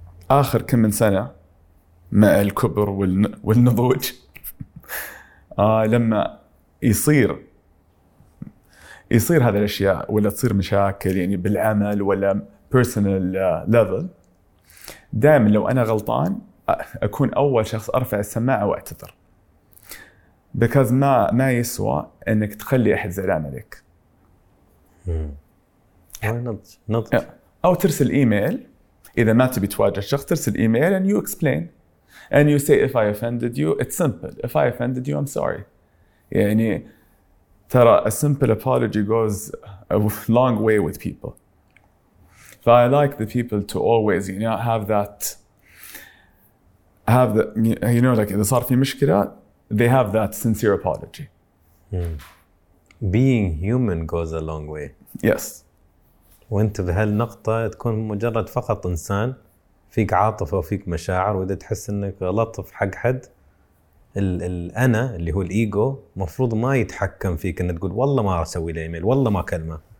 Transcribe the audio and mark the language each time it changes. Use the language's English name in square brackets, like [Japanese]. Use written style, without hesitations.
[Arabic] آخر كم من سنة مع الكبر والنضوج لما يصير هذه الأشياء ولا تصير مشاكل يعني بالعمل ولا [English] personal level, [Arabic] دائما لو أنا غلطان أكون أول شخص أرفع السماعة وأعتذر. because ما يسوى إنك تخلي أحد زعلان عليك. نضج. أو ترسل إيميل إذا ما تبي تواجه الشخص. ترسل إيميل [English] and you explain and you say if I offended you it's simple, if I offended you I'm sorry. يعني ترى a simple apology goes a long way with people. So I like the people to always, you know, have the, you know, like [Arabic] إذا صار في مشكلة, [English] they have that sincere apology. Being human goes a long way. Yes. [Arabic] وأنت بهالنقطة تكون مجرد فقط إنسان, فيك عاطفة وفيك مشاعر, وإذا تحس إنك لطف حق حد, الأنا اللي هو الإيجو مفروض ما يتحكم فيك إن تقول والله ما أسوي الإيميل, والله ما كلمة.